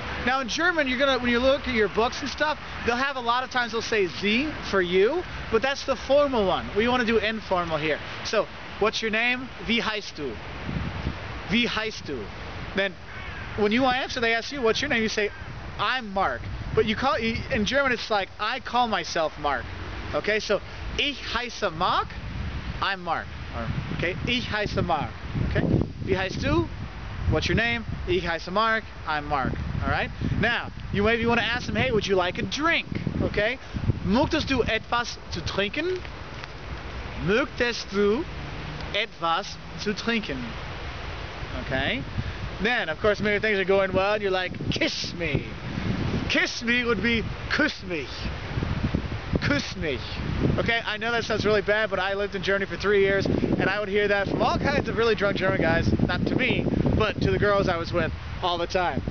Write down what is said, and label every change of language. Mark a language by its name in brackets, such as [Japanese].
[English] Now in German, when you look at your books and stuff, they'll have a lot of times they'll say Sie for you, but that's the formal one. We want to do informal here. So, what's your name? Wie heißt du? Wie heißt du? Then, when you want to answer, they ask you, what's your name? You say, I'm Mark. But you call, in German it's like, I call myself Mark. Okay, so, ich heiße Mark, I'm Mark. [German] Okay, ich heiße Mark. Okay, wie heißt du? What's your name? Ich heiße Mark, I'm Mark. [English] Alright, now, you maybe want to ask them, hey, would you like a drink? [German] Okay, möchtest du etwas zu trinken? Möchtest du etwas zu trinken? [English] Okay, then, of course, maybe things are going well, and you're like, kiss me. Kiss me would be küss mich. Küss mich. Okay, I know that sounds really bad, but I lived in Germany for 3 years, and I would hear that from all kinds of really drunk German guys, not to me, but to the girls I was with all the time.